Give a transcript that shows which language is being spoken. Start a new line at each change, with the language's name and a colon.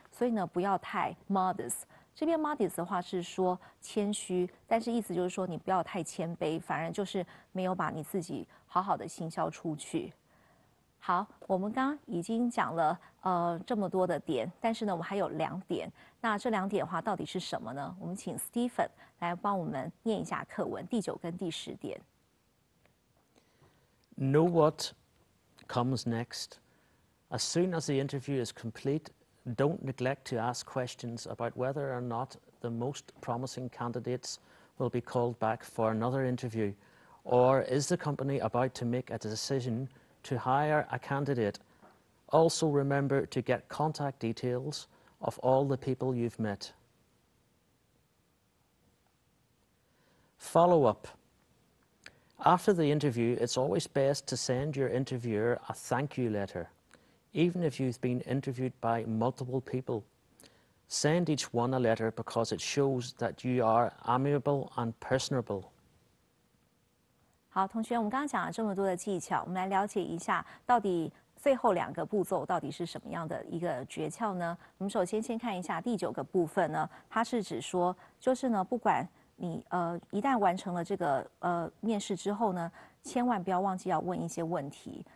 Chinese: 所以呢不要太 modest， 这边 modest 的话是说谦虚，但是意思就是说你不要太谦卑，反而就是没有把你自己好好的行销出去。好，我们刚刚已经讲了这么多的点，但是呢我们还有两点，那这两点的话到底是什么呢？我们请 Stephen 来帮我们念一下课文第九跟第十点。
English: Know what comes next. As soon as the interview is complete, don't neglect to ask questions about whether or not the most promising candidates will be called back for another interview, or is the company about to make a decisionto hire a candidate. Also remember to get contact details of all the people you've met. Follow up. After the interview, it's always best to send your interviewer a thank you letter, even if you've been interviewed by multiple people. Send each one a letter because it shows that you are amiable and personable.
Chinese: 好，同学，我们刚刚讲了这么多的技巧，我们来了解一下到底最后两个步骤到底是什么样的一个诀窍呢？我们首先先看一下第九个部分呢，它是指说就是呢不管你一旦完成了这个面试之后呢，千万不要忘记要问一些问题。